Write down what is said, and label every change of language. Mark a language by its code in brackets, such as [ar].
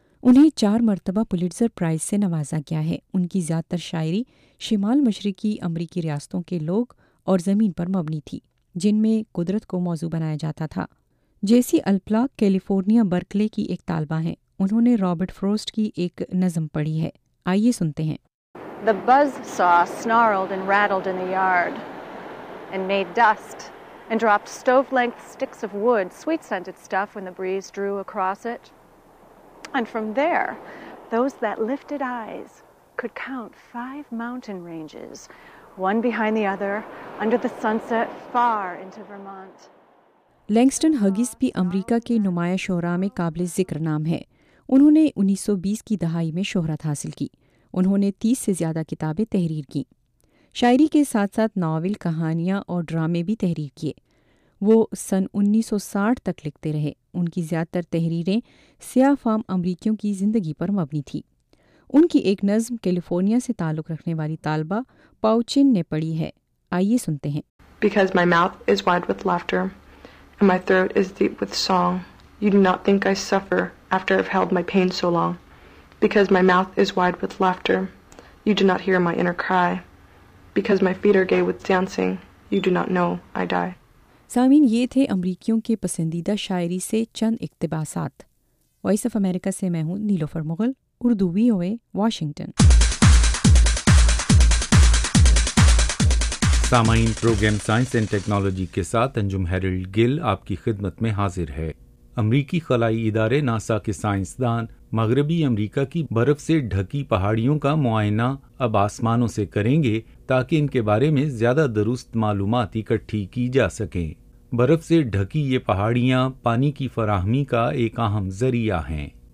[ur] انہیں 4 مرتبہ Pulitzer price سے نوازا گیا ہے۔ ان کی زیادہ تر شاعری شمال مشرقی امریکی ریاستوں کے لوگ اور زمین پر مبنی تھی جن میں قدرت کو موضوع بنایا جاتا تھا۔ جیسی الپلا کیلیفورنیا برکلے کی ایک طالبہ ہیں، انہوں نے رابرٹ فروسٹ کی ایک نظم پڑھی ہے، آئیے سنتے ہیں۔ [en] The buzz saw snarled and rattled in the yard and made dust and dropped stove-length sticks of wood, sweet-scented stuff, when the breeze drew across it. And from there, those that lifted eyes could count 5 mountain ranges, one behind the other, under the sunset, far into Vermont. [ur] لینگسٹن ہگیز بھی امریکہ کے نمایاں شعرا میں قابل ذکر نام ہے۔ انہوں نے 1920 کی دہائی میں شہرت حاصل کی۔ انہوں نے 30 سے زیادہ کتابیں تحریر کی۔ شاعری کے ساتھ ساتھ ناول، کہانیاں اور ڈرامے بھی تحریر کیے۔ وہ 1960 تک لکھتے رہے۔ ان کی زیادہ تر تحریریں سیاہ فام امریکیوں کی زندگی پر مبنی تھی۔ ان کی ایک نظم کیلیفورنیا سے تعلق رکھنے والی طالبہ پاؤچن نے پڑھی ہے، آئیے سنتے ہیں۔ [en] Because my mouth is wide with laughter and my throat is deep with song. You do not think I suffer after I've held my pain so long. Because my mouth is wide with laughter, you do not hear my inner cry. Because my feet are gay with dancing, you do not know I die. [ur] سامعین، یہ تھے امریکیوں کے پسندیدہ شاعری سے چند اقتباسات۔ Voice of America سے میں ہوں نیلوفر مغل، اردو وی او اے واشنگٹن۔ سامعین، پروگرام سائنس اینڈ ٹیکنالوجی کے ساتھ انجم ہیرلڈ گل آپ کی خدمت میں حاضر ہے۔ امریکی خلائی ادارے ناسا کے سائنسدان مغربی امریکہ کی برف سے ڈھکی پہاڑیوں کا معائنہ اب آسمانوں سے کریں گے تاکہ ان کے بارے میں زیادہ درست معلومات اکٹھی کی جا سکیں۔ برف سے ڈھکی یہ پہاڑیاں پانی کی فراہمی کا ایک اہم ذریعہ ہیں۔